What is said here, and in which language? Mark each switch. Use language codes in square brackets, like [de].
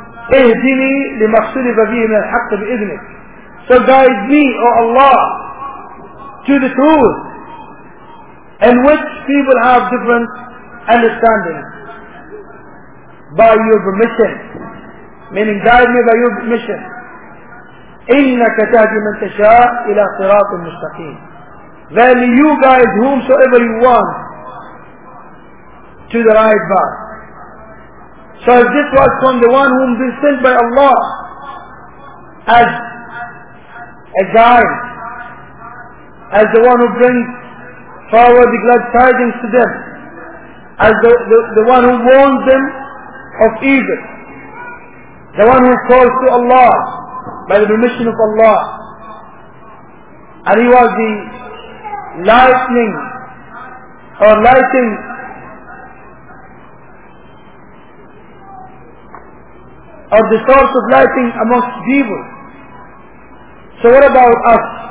[ar] اهدني لما اختلف فيه من الحق بإذنك. [en] So guide me, O Allah, to the truth in which people have different understandings by your permission. Meaning guide me by your permission. [ar] إنك تهدي من تشاء إلى صراط مستقيم. [en] Then you guide whomsoever you want to the right path. So if this was from the one whom been sent by Allah as a guide, as the one who brings forward the glad tidings to them, as the one who warns them of evil, the one who calls to Allah by the permission of Allah, and he was the lightning or lighting of the source of lighting amongst people. So what about us?